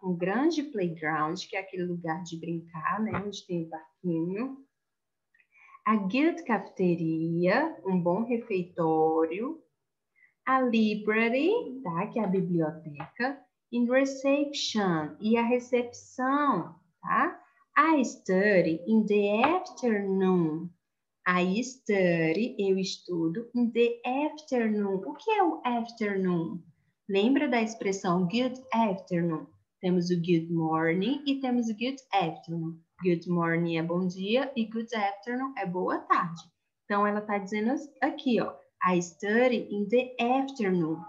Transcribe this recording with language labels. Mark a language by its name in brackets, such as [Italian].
[Portuguese] Um grande playground, que é aquele lugar de brincar, né? Onde tem o parquinho. [English] A good cafeteria, [Portuguese] um bom refeitório. A library, tá? Que é a biblioteca. In reception, e a recepção, tá? [English] I study in the afternoon. I study, [Portuguese] eu estudo, [English] in the afternoon. [Portuguese] O que é o afternoon? Lembra da expressão good afternoon? Temos o good morning e temos o good afternoon. Good morning é bom dia e good afternoon é boa tarde. Então, ela está dizendo aqui, ó. [English] I study in the afternoon.